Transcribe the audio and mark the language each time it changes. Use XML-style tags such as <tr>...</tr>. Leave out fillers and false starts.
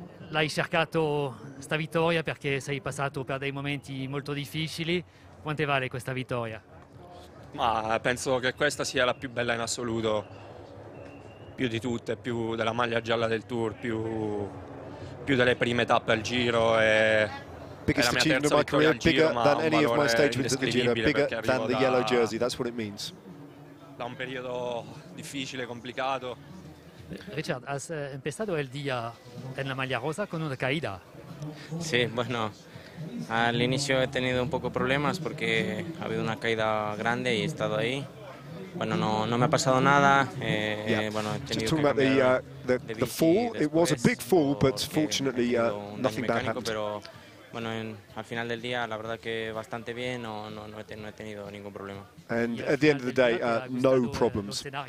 <it>L'hai cercato sta vittoria perché sei passato per dei momenti molto difficili. Quante vale questa vittoria? Ma penso che questa sia la più bella in assoluto, più di tutte, più della maglia gialla del Tour, più delle prime tappe al Giro. E</it> <en>biggest achievement of my career, bigger than any of my stage wins at the Giro, bigger than the yellow jersey. That's what it means.</en> <it>Da un periodo difficile, complicato.</it> <es>Richard, has empezado el día en la maglia rosa con una caída. Sí, bueno, al inicio he tenido un poco problemas porque ha habido una caída grande y he estado ahí. Bueno, no me ha pasado nada. Bueno, he tenido</es> <en>just talking about the fall, it was a big fall, but fortunately nothing bad happened.</en> <es>Pero bueno, al final del día, la verdad que bastante bien, no he tenido ningún problema.</es> <en>And at the end of the day, no problems.</en>